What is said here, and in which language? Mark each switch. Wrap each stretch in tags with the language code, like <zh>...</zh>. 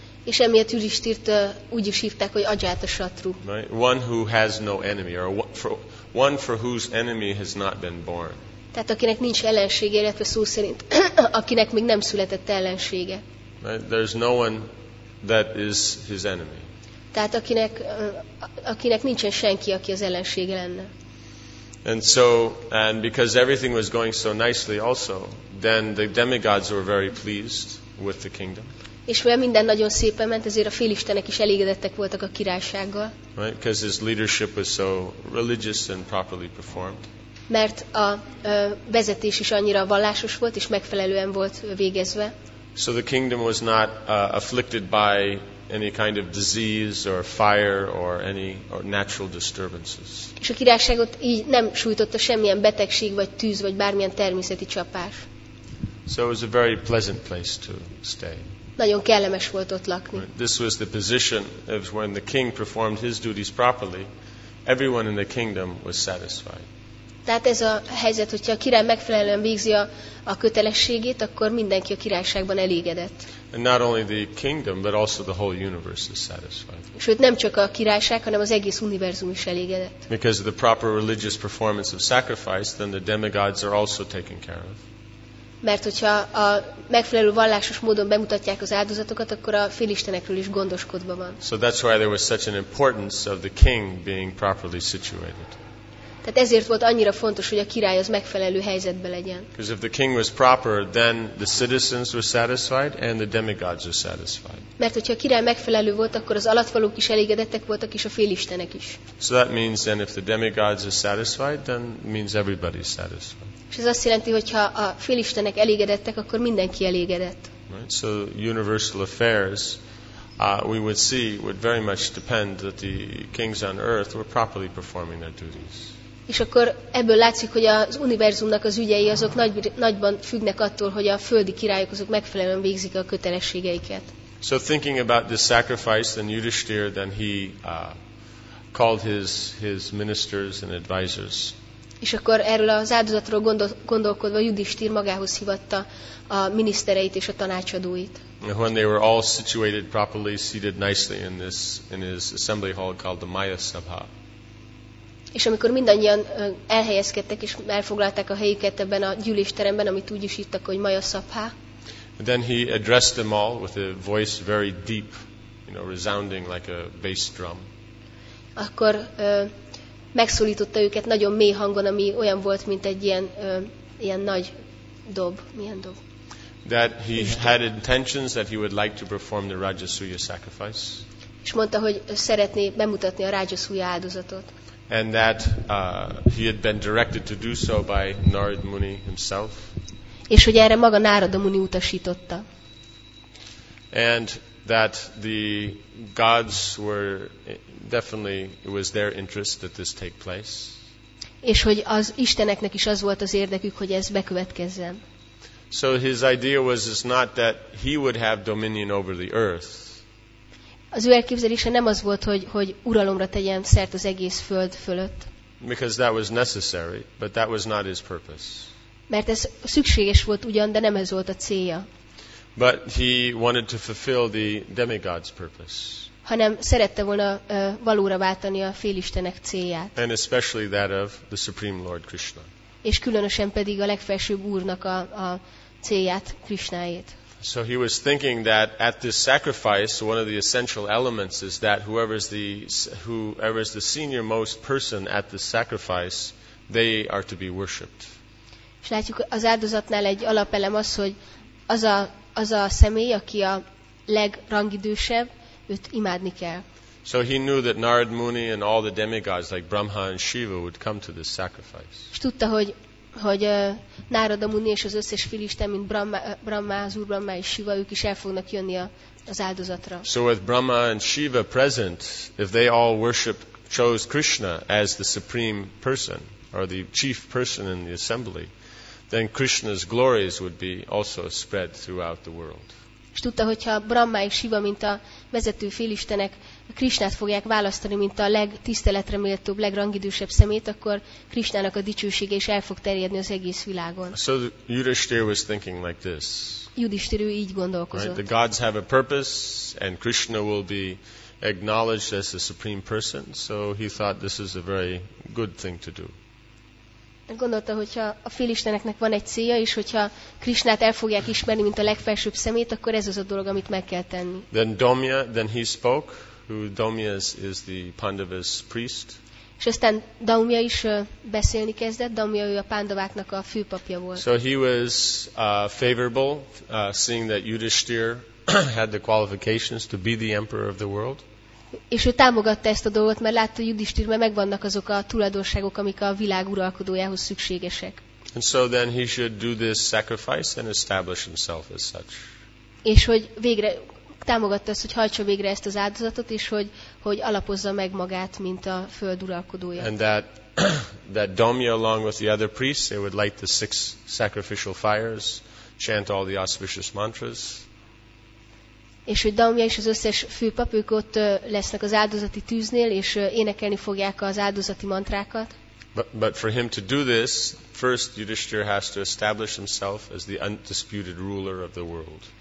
<hu>És emiatt Yudhishthirt úgy is hívták, hogy Ajatashatru.</hu> <en>One who has no enemy, or one for whose enemy has not been born.</en> <hu>Tehát akinek nincs ellensége, illetve szó szerint akinek még nem született ellensége.</hu> <en>Right? There's no one that is his enemy.</en> <hu>Tehát akinek nincsen senki, aki az ellensége lenne.</hu> <en>And so, and because everything was going so nicely also, then the demigods were very pleased with the kingdom.</en> <hu>És mivel minden nagyon szépen ment, ezért a félistenek is elégedettek voltak a királysággal.</hu> <en>Right, because his leadership was so religious and properly performed.</en> <hu>Mert a vezetés is annyira vallásos volt és megfelelően volt végezve.</hu> <en>So the kingdom was not afflicted by any kind of disease or fire or any or natural disturbances.</en> <hu>És a királyságot így nem sújtotta semmilyen betegség vagy tűz vagy bármilyen természeti csapás.</hu> <en>So it was a very pleasant place to stay.</en> <hu>Nagyon kellemes volt ott lakni.</hu> <en>This was the position of when the king performed his duties properly, everyone in the kingdom was satisfied.</en> <hu>Tehát ez a helyzet, hogyha a király megfelelően végzi a kötelességét, akkor mindenki a királyságban elégedett.</hu> <en>And not only the kingdom, but also the whole universe is satisfied.</en> <hu>Sőt, nem csak a királyság, hanem az egész univerzum is elégedett.</hu> <en>Because of the proper religious performance of sacrifice, then the demigods are also taken care of.</en> <hu>Mert hogyha a megfelelő vallásos módon bemutatják az áldozatokat, akkor a félistenekről is gondoskodva van.</hu> <en>So that's why there was such an importance of the king being properly situated.</en> <hu>Tehát ezért volt annyira fontos, hogy a király az megfelelő helyzetben legyen.</hu> <en>Because if the king was proper, then the citizens were satisfied and the demigods were satisfied.</en> <hu>Mert hogyha a király megfelelő volt, akkor az alattvalók is elégedettek voltak, és a félistenek is.</hu> <en>So that means then if the demigods are satisfied, then means everybody's satisfied.</en> <hu>És ez azt jelenti, hogy ha a félistenek elégedettek, akkor mindenki elégedett.</hu> <en>Right. So universal affairs, we would see, would very much depend that the kings on earth were properly performing their duties.</en> <hu>És akkor ebből látszik, hogy az univerzumnak az ügyei azok nagyban függnek attól, hogy a földi királyok azok megfelelően végzik a kötelességeiket.</hu> <en>So thinking about this sacrifice, then Yudhishthira, then he called his ministers and advisors.</en> <hu>És akkor erről az áldozatról gondolkodva Yudhishthira magához hívatta a minisztereit és a tanácsadóit.</hu> <en>When they were all situated properly, seated nicely in this in his assembly hall called the Maya Sabha.</en> <hu>És amikor mindannyian elhelyezkedtek és elfoglalták a helyüket ebben a gyűlésteremben, amit úgy is hívtak, hogy Maya Sabha.</hu> <en>Then he addressed them all with a voice very deep, you know, resounding like a bass drum.</en> <hu>Akkor megszólította őket nagyon mély hangon, ami olyan volt, mint egy ilyen ilyen nagy dob, milyen dob.</hu> <en>That he had intentions that he would like to perform the Rajasuya sacrifice.</en> <hu>És mondta, hogy szeretné bemutatni a Rajasuya áldozatot.</hu> <en>And that he had been directed to do so by Narad Muni himself.</en> <hu>És hogy erre maga Narada Muni utasította.</hu> <en>And that the gods were definitely, it was their interest that this take place.</en> <hu>És hogy az isteneknek is az volt az érdekük, hogy ez bekövetkezzen.</hu> <en>So his idea was it's not that he would have dominion over the earth.</en> <hu>Az ő elképzelése nem az volt, hogy uralomra tegyen szert az egész föld fölött.</hu> <en>Because that was necessary, but that was not his purpose.</en> <hu>Mert ez szükséges volt ugyan, de nem ez volt a célja.</hu> <en>But he wanted to fulfill the demigod's purpose.</en> <hu>Hanem szerette volna valóra váltani a félistenek célját.</hu> <en>And especially that of the Supreme Lord Krishna.</en> <hu>És különösen pedig a legfelsőbb úrnak a célját, Krishnájét.</hu> <en>So he was thinking that at this sacrifice, one of the essential elements is that whoever is the senior most person at the sacrifice, they are to be worshipped.</en> <hu>És látjuk, az áldozatnál egy alapelem az, hogy az a személy, aki a legrangidősebb, őt imádni kell.</hu> <en>So he knew that Narad Muni and all the demigods like Brahma and Shiva would come to this sacrifice.</en> <hu>És tudta, hogy Narada Muni és az összes félisten, mint Brahma, az Úr Brahma és Shiva, ők is el fognak jönni az áldozatra.</hu> <en>So with Brahma and Shiva present, if they all worship chose Krishna as the supreme person. or the chief person in the assembly, then Krishna's glories would be also spread throughout the world.</en> <hu>És tudta, hogyha Brahma és Shiva, mint a vezető félistenek, Krishnát fogják választani, mint a legtiszteletre méltóbb, legrangidősebb szemét, akkor Krishnának a dicsősége is el fog terjedni az egész világon.</hu> <en>So Yudhishthira was thinking like this.</en> <hu>Yudhishthira így gondolkozott.</hu> <en>Right? The gods have a purpose, and Krishna will be acknowledged as the supreme person, so he thought this is a very good thing to do.</en> <hu>Gondolta, hogyha a félisteneknek van egy célja, és hogyha Krishnát el fogják ismerni, mint a legfelsőbb szemét, akkor ez az a dolog, amit meg kell tenni.</hu> <en>Then he spoke, who Daumya is the Pandavas priest.</en> <hu>És aztán Daumya is beszélni kezdett. Daumya, ő a Pandaváknak a főpapja volt.</hu> <en>So he was favorable, seeing that Yudhishthira had the qualifications to be the emperor of the world.</en> <hu>És ő támogatta ezt a dolgot, mert látta, hogy Yudhishthira megvannak azok a tulajdonságok, amik a világ uralkodójához szükségesek.</hu> <en>And so then he should do this sacrifice and establish himself as such.</en> <hu>És hogy végre támogatta azt, hogy hajtsa végre ezt az áldozatot, és hogy alapozza meg magát, mint a föld uralkodója.</hu> <en>And that Daumya, along with the other priests, they would light the six sacrificial fires, chant all the auspicious mantras.</en> <hu>És hogy Daumya és az összes főpap, ők ott lesznek az áldozati tűznél, és énekelni fogják az áldozati mantrákat.</hu> <en>But for him to do this, first Yudhishthira has to establish himself as the undisputed ruler of the world.</en>